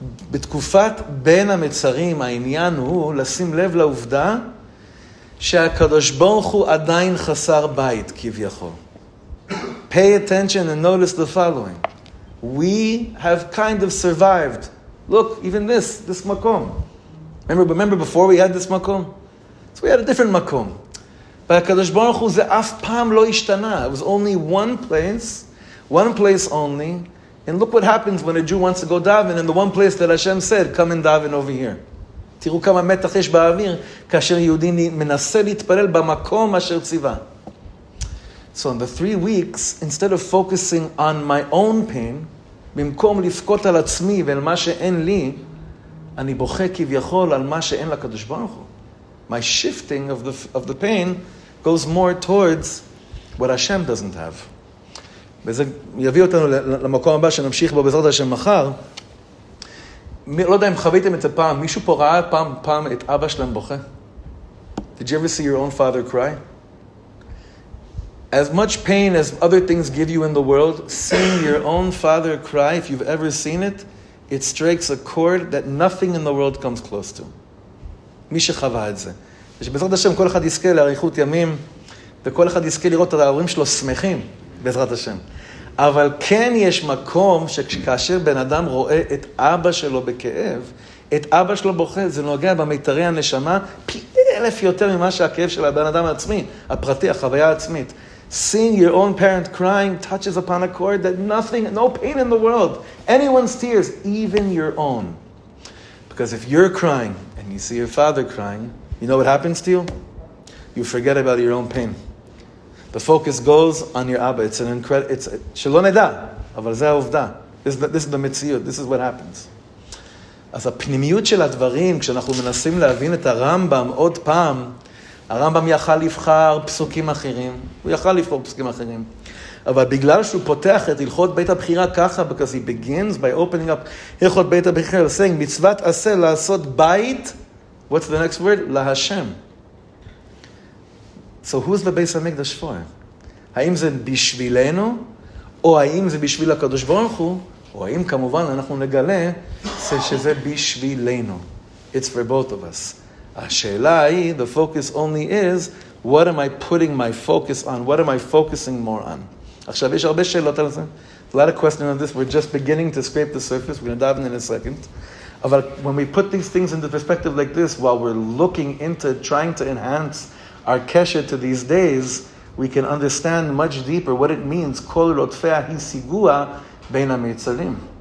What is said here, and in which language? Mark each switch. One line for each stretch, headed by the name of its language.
Hebrew: בתקופת בין המצרים, העניין הוא לשים לב לעובדה שהקדוש ברוך הוא עדיין חסר בית, כביכול.
English: Pay attention and notice the following. We have kind of survived. Look, even this makom. Remember before we had this makom? So we had a different makom.
Hebrew: But הקדוש ברוך הוא זה אף פעם לא השתנה.
English: It was only one place only, and look what happens when a Jew wants to go daven in the one place that Hashem said, come and daven over here.
Hebrew: תראו כמה מתח יש באוויר כאשר יהודי מנסה להתפלל במקום אשר ציווה.
English: So in the 3 weeks,
Hebrew: instead of focusing on my own pain, במקום לפקוט על עצמי ועל מה שאין לי, אני בוכה כביכול על מה שאין לקדוש ברוך הוא.
English: My shifting of the pain goes more towards what Hashem doesn't have.
Hebrew: וזה יביא אותנו למקום הבא שנמשיך בו בעזרת השם מחר. לא יודע אם חוויתם את זה פעם, מישהו פה ראה פעם את אבא שלהם בוכה?
English: Did you ever see your own father cry? As much pain as other things give you in the world, seeing your own father cry, if you've ever seen it, it strikes a chord that nothing in the world comes close to.
Hebrew: מי שחווה את זה. ושבעזרת השם כל אחד יזכה לאריכות ימים, וכל אחד יזכה לראות את ההורים שלו שמחים. בעזרת השם. אבל כן יש מקום שכאשר בן אדם רואה את אבא שלו בכאב, את אבא שלו בוכה, זה נוגע במיתרי הנשמה פי אלף יותר ממה שהכאב של הבן אדם העצמי, הפרטי, החוויה העצמית.
English: Seeing your own parent crying touches upon a chord that nothing, no pain in the world, anyone's tears, even your own. Because if you're crying and you see your father crying, you know what happens to you? You forget about your own pain. The focus goes on your Abba. It's an incredible... It's
Hebrew: שלא נדע, אבל זה העובדה.
English: This is the מציאות. This is what happens.
Hebrew: אז הפנימיות של הדברים, כשאנחנו מנסים להבין את הרמב״ם עוד פעם, הרמב״ם יכל לבחר פסוקים אחרים. הוא יכל לבחור פסוקים אחרים. אבל בגלל שהוא פותח את הלכות בית הבחירה ככה,
English: because he begins by opening up
Hebrew: הלכות בית הבחירה, saying, מצוות עשה לעשות בית, what's the next word? להשם.
English: So who's the Beis HaMikdash for?
Hebrew: Haim ze bishvilenu או האם זה בשביל הקדוש ברוך הוא, או האם כמובן אנחנו נגלה שזה בשבילנו.
English: It's for both of us.
Hebrew: השאלה היא,
English: the focus only is, what am I putting my focus on? What am I focusing more on?
Hebrew: עכשיו, יש הרבה שאלות על זה.
English: A lot of questions on this. We're just beginning to scrape the surface. We're going to dive in a second. But when we put these things into perspective like this, while we're looking into trying to enhance our kesher to these days, we can understand much deeper what it means,
Hebrew: kol rotfea hi sigua bein ha-mitzarim.